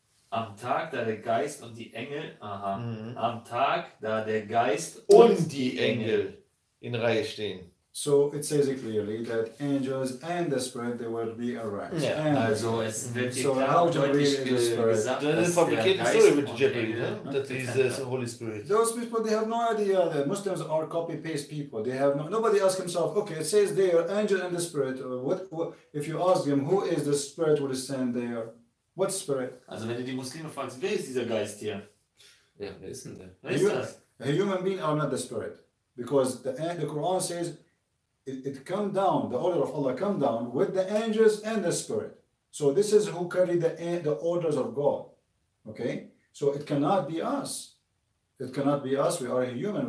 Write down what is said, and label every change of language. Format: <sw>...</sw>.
<de>Am Tag, da der Geist und die Engel, am Tag, da der Geist und die Engel in Reihe stehen.</de> <en>So it says it clearly that angels and the spirit they will be arranged. Yeah. And</en> <de>also es wird so</de> <en>how to read the spirit. That is a complicated story with Jibril, that is the Holy Spirit. Those people, they have no idea that Muslims are copy-paste people. They have nobody asks himself, okay, it says they are angel and the spirit. If you ask them, who is the spirit will stand there? What spirit?</en> <de>Also wenn du die Muslime fragst, wer ist dieser Geist hier? Ja, wer ist denn</de> <en>der? A human being are not the spirit. Because the Quran says, It come down, the order of Allah come down with the angels and the spirit. So this is who carry the orders of God. Okay? So it cannot be us. It cannot be us. We are a human.</en>